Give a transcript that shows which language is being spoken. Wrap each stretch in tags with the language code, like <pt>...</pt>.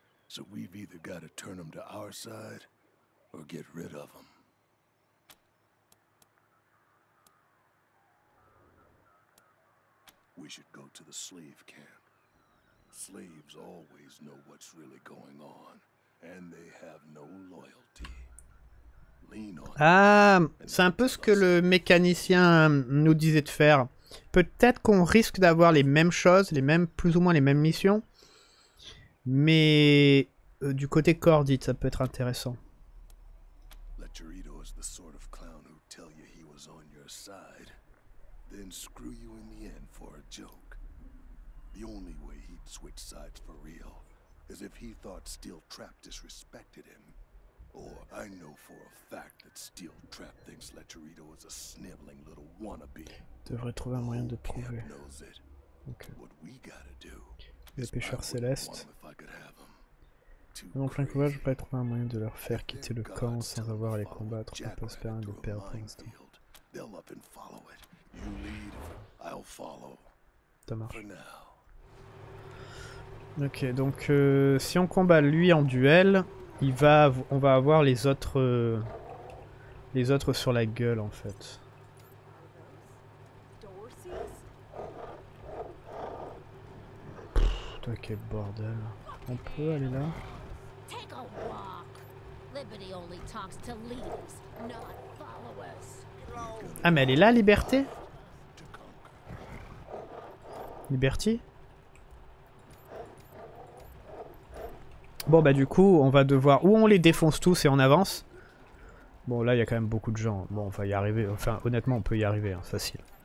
<en>So we've either got to turn him to our side, or get rid of him. We should go to the slave camp. Slaves always know what's really going on, and they have no loyalty. Lean on.</en> <fr>Ah, c'est un peu ce que le mécanicien nous disait de faire. Peut-être qu'on risque d'avoir les mêmes choses, les mêmes, plus ou moins les mêmes missions, mais du côté Cordite, ça peut être intéressant.</fr> <en>Lecherito is the sort of clown who tell you he was on your side, then screw you in the end for a joke. The only way switch sides for real, as if he thought Steel Trap disrespected him. Or I know for a fact that Steel Trap thinks Lecherito is a sniveling little wannabe.</en> <fr>Devrait trouver un moyen de prouver.</fr> <en>Camp knows it. Okay. What we gotta do.</en> <fr>Les pêcheurs célestes. En plein combat, je pourrais trouver un moyen de leur faire quitter le camp sans avoir à les combattre. On peut se permettre de perdre pour l'instant. Ça marche. Pour l'instant. Ok, donc si on combat lui en duel, on va avoir les autres sur la gueule en fait. Quel bordel. On peut aller là.</fr> <en>Take a walk. Liberty only talks to leaders, not followers.</en> <fr>Ah mais elle est là, Liberté.</fr> <en>Liberty.</en> <fr>Bon bah du coup on va devoir où on les défonce tous et on avance. Bon là il y a quand même beaucoup de gens. Bon on va y arriver. Enfin honnêtement on peut y arriver, hein, facile.</fr>